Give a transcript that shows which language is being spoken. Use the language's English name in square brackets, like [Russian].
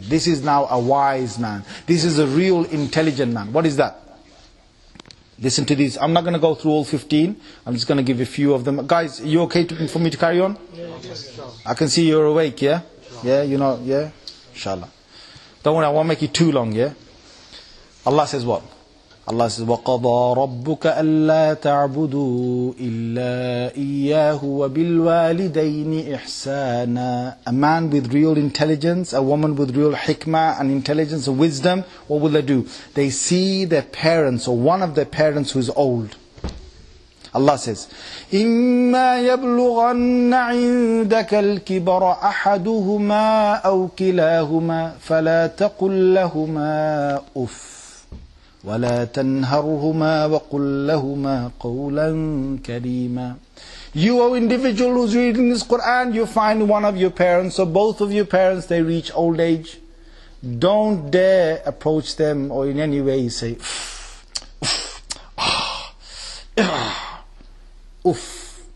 [English] This is now a wise man. This is a real intelligent man. What is that? Listen to this. I'm not going to go through all 15. I'm just going to give a few of them. Guys, are you okay for me to carry on? Yeah. I can see you're awake, yeah? Yeah, you know, yeah? Inshallah. Don't worry, I won't make it too long, yeah? Allah says what? Allah says, [Arabic] وَقَضَى رَبُّكَ أَلَّا تَعْبُدُوا إِلَّا إِيَّاهُ وَبِالْوَالِدَيْنِ إِحْسَانًا. [English] A man with real intelligence, a woman with real hikmah and intelligence and wisdom, what will they do? They see their parents or one of their parents who is old. Allah says, [Arabic] إِمَّا يَبْلُغَنَّ عِنْدَكَ الْكِبَرَ أَحَدُهُمَا أَوْ كِلَاهُمَا فَلَا تَقُلْ لَهُمَا أُفٍّ وَلَا تَنْهَرْهُمَا وَقُلْ لَهُمَا قَوْلًا كَرِيمًا. [English] You, O individual who's reading this Quran, you find one of your parents, or both of your parents, they reach old age. Don't dare approach them or in any way say, oof.